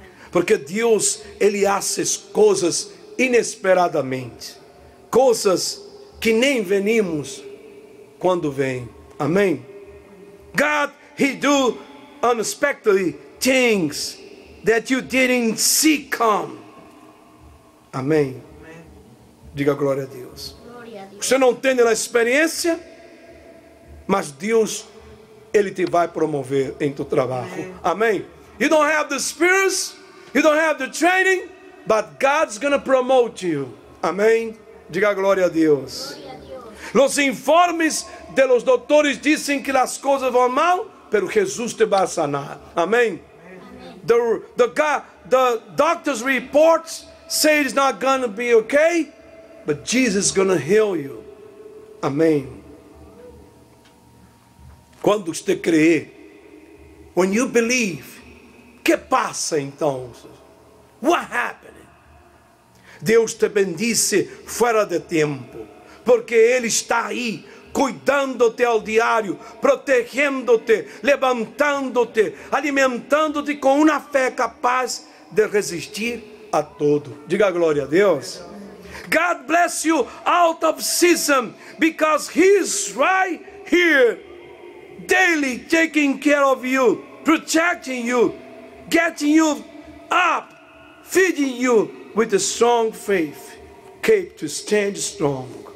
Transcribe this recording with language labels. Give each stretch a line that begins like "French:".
Portuguese: Porque Deus, ele hace coisas inesperadamente. Coisas que nem venimos quando vem. Amém?
English: God, he do unexpectedly things that you didn't see come.
Portuguese: Amém. Diga glória a Deus. Glória a Deus. Você não tem a experiência, mas Deus, ele te vai promover em teu trabalho. Amém.
English: You don't have the experience, you don't have the training, but God's going to promote you.
Portuguese: Amém. Diga glória a Deus. Glória a Deus. Os informes
Spanish: de los doctores
Portuguese: dizem que as coisas vão mal, pero Jesus te vai sanar. Amém?
English: The doctor's reports say it's not going to be okay, but Jesus is going to heal you.
Portuguese: Amém. Quando você crê,
English: when you believe,
Portuguese: que passa então?
English: What happened?
Portuguese: Deus te bendice fora de tempo, porque Ele está aí, cuidando-te ao diário, protegendo-te, levantando-te, alimentando-te com uma fé capaz de resistir a tudo. Diga glória a Deus.
English: God bless you out of season, because He's right here, daily taking care of you, protecting you, getting you up, feeding you with a strong faith, keep to stand strong.